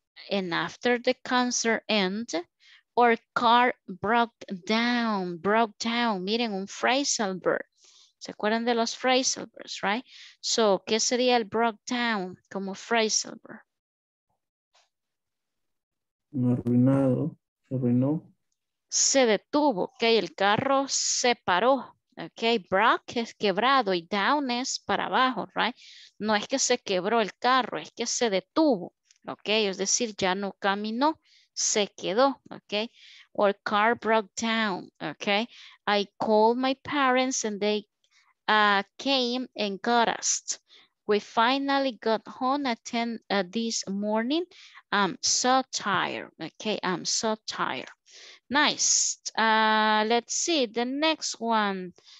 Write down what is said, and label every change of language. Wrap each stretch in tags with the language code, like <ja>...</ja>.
<en>And after the concert end, our car broke down. Broke down.</en> <es>Miren, un phrasal verb. ¿Se acuerdan de los phrasal verbs, right? So, ¿qué sería el broke down como phrasal verb? Arruinado, se arruinó. Se detuvo, ok, el carro se paró, ok. Broke es quebrado y down es para abajo, right? No es que se quebró el carro, es que se detuvo, ok. Es decir, ya no caminó, se quedó, ok.</es> <en>Our car broke down, ok. I called my parents and they came and got us. We finally got home at 10 this morning. I'm so tired. Okay, I'm so tired. Nice. Let's see the next one.</en>